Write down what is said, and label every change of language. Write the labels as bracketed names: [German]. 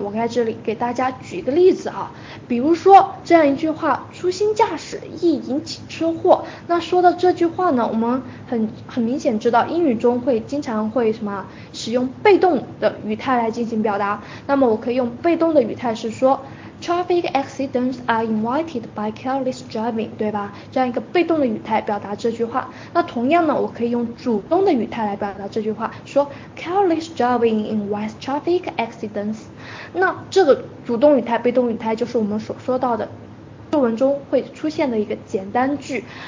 [Chinese] 我在这里给大家举一个例子啊，比如说这样一句话，粗心驾驶易引起车祸。那说到这句话呢，我们很明显知道英语中会经常会什么使用被动的语态来进行表达，那么我可以用被动的语态是说 [English] traffic accidents are invited by careless driving， [Chinese] 对吧？这样一个被动的语态表达这句话。那同样呢，我可以用主动的语态来表达这句话，说 [English] careless driving invites traffic accidents。 [Chinese] 那这个主动语态、被动语态就是我们所说到的作文中会出现的一个简单句。